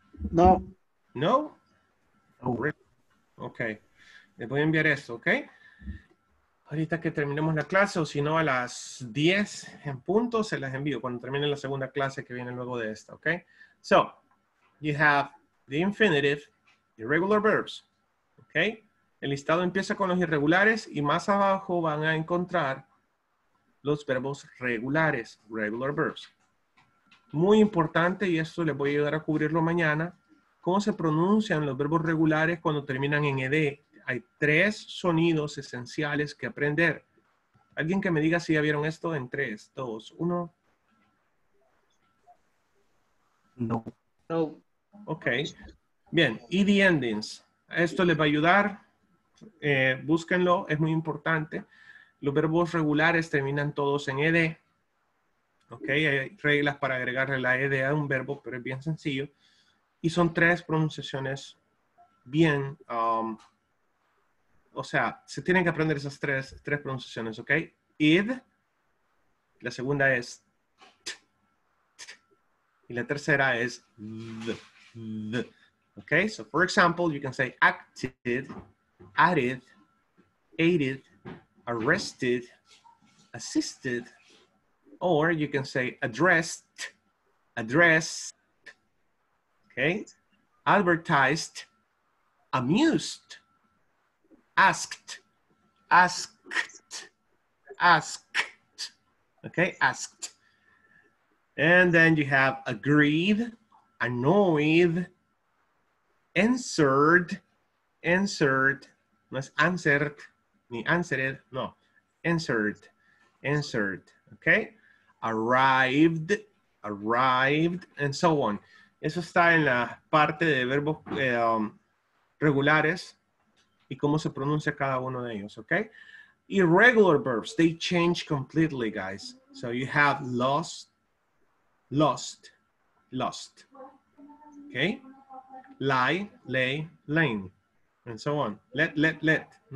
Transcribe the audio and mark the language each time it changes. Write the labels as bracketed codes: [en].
[es] No. No? No. Ok. Les voy a enviar esto, ok? Ahorita que terminemos la clase, o si no, a las 10 en punto, se las envío cuando termine la segunda clase que viene luego de esta, ok? [en] So, you have the infinitive, the irregular verbs, ok? [es] El listado empieza con los irregulares y más abajo van a encontrar los verbos regulares, [en] regular verbs. [es] Muy importante, y esto les voy a ayudar a cubrirlo mañana, ¿cómo se pronuncian los verbos regulares cuando terminan en ed? Hay 3 sonidos esenciales que aprender. ¿Alguien que me diga si ya vieron esto en 3, 2, 1? No. No. Ok. Bien, ed endings. Esto les va a ayudar. Búsquenlo, es muy importante. Los verbos regulares terminan todos en ed. Ok, hay reglas para agregarle la ed a un verbo, pero es bien sencillo. Y son 3 pronunciaciones bien, o sea, se tienen que aprender esas 3 pronunciaciones, ¿ok? Id, la segunda es t, t, y la tercera es th, ¿ok? [en] So, for example, you can say acted, added, aided, arrested, assisted, or you can say addressed, address. Okay, advertised, amused, asked, asked, asked, okay, asked. And then you have agreed, annoyed, answered, answered, not answered, ni answered, no, answered, answered, okay, arrived, arrived, and so on. [es] Eso está en la parte de verbos regulares y cómo se pronuncia cada uno de ellos, ¿ok? [en] Irregular verbs, they change completely, guys. So you have lost, lost, lost. ¿Ok? Lie, lay, lane. And so on. Let, let, let.